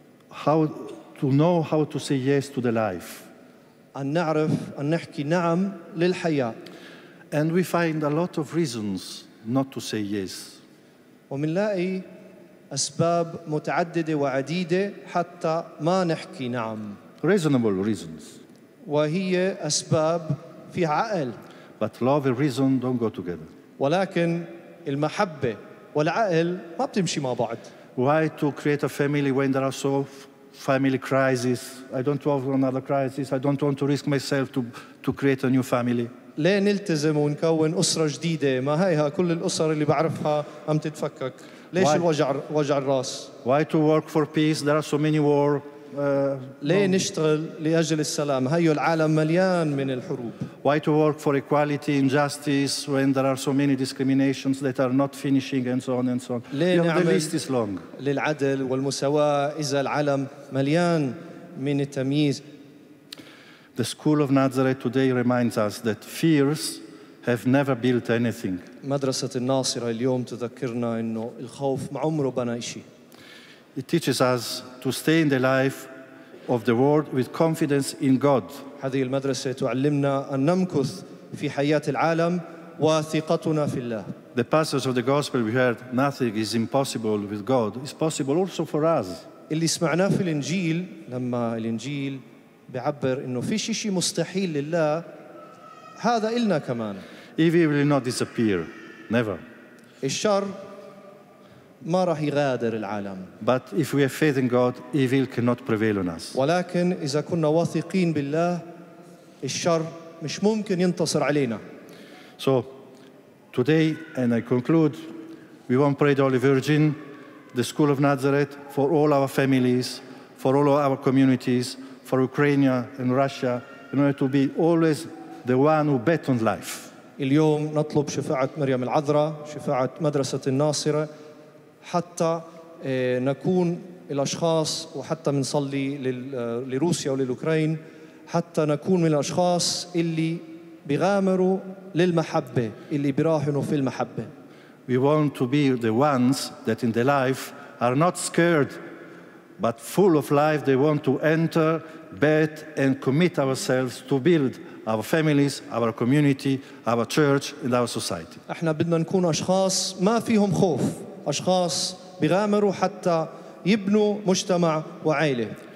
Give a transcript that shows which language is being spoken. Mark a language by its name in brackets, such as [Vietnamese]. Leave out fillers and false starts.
[English] How to know how to say yes to the life. [Arabic] أن نعرف أن نحكي نعم للحياة. [English] And we find a lot of reasons not to say yes. [Arabic] ومنلاقي أسباب متعددة وعديدة حتى ما نحكي نعم. [English] Reasonable reasons. [Arabic] وهي أسباب في عقل. [English] But love and reason don't go together. [Arabic] ولكن المحبة والعقل ما بتمشي مع بعض. [English] Why to create a family when there are so family crisis? I don't want another crisis. I don't want to risk myself to create a new family. [Arabic] ليه نلتزم ونكون أسرة جديدة؟ ما هيها كل الأسر اللي بعرفها عم تتفكك. ليش الوجع الراس؟ [English] Why to work for peace? There are so many war. [Arabic] ليه نشتغل لأجل السلام؟ هيو العالم مليان من الحروب. [English] Why to work for equality and justice when there are so many discriminations that are not finishing and so on and so on? The list is long. [Arabic] للعدل والمساواة إذا العالم مليان من التمييز. [English] The school of Nazareth today reminds us that fears have never built anything. [Arabic] مدرسة الناصرة اليوم تذكرنا إنه الخوف ما عمره بنى شيء. [English] It teaches us to stay in the life of the world with confidence in God. [Arabic] هذه المدرسة تعلمنا أن نمكث في حياة العالم وثقتنا في الله. [English] The passage of the gospel we heard, nothing is impossible with God, is possible also for us. [Arabic] اللي سمعناه في الإنجيل لما الإنجيل بيعبر إنه في شيء مستحيل لله، هذا إلنا كمان. [English] Evil will not disappear, never. [Arabic] الشر ما راح يغادر العالم. [English] But if we have faith in God, evil cannot prevail on us. [Arabic] ولكن إذا كنا واثقين بالله، الشر مش ممكن ينتصر علينا. [English] So today, and I conclude, we want to pray to the Holy Virgin, the School of Nazareth, for all our families, for all our communities, for Ukraine and Russia, in order to be always the one who bet on life. [Arabic] اليوم نطلب شفاعة مريم العذراء، شفاعة مدرسة الناصرة، حتى نكون الأشخاص، وحتى منصلي لروسيا وللأوكرين، حتى نكون من الأشخاص اللي بغامروا للمحبة، اللي براهنوا في المحبة. [English] We want to be the ones that in the life are not scared, but full of life. They want to enter, bet, and commit ourselves to build our families, our community, our church, and our society. [Arabic] احنا بدنا نكون اشخاص ما فيهم خوف، اشخاص بغامروا حتى يبنوا مجتمع وعائله.